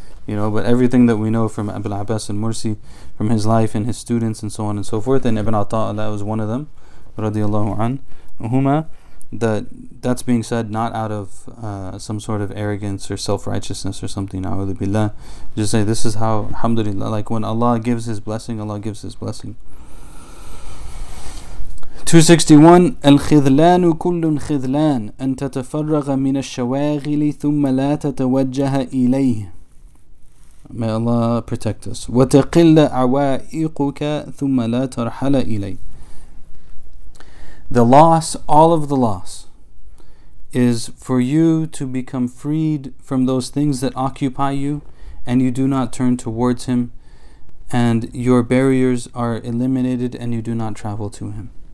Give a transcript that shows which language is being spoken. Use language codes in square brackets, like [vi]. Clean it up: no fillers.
[en] You know, but everything that we know from Abu al-Abbas al-Mursi, from his life and his students and so on and so forth, and Ibn Ataillah was one of them, radiallahu anhuma, that's being said not out of some sort of arrogance or self-righteousness or something, a'udhu billah. Just say, this is how, alhamdulillah, like when Allah gives His blessing, Allah gives His blessing. [ar] 261, الخذلان كل خذلان أن تتفرغ من الشواغل ثم لا تتوجه إليه. [en] May Allah protect us. [ar] وتقل عوائقك ثم لا ترحل إليه. [en] The loss, all of the loss, is for you to become freed from those things that occupy you and you do not turn towards Him, and your barriers are eliminated and you do not travel to Him.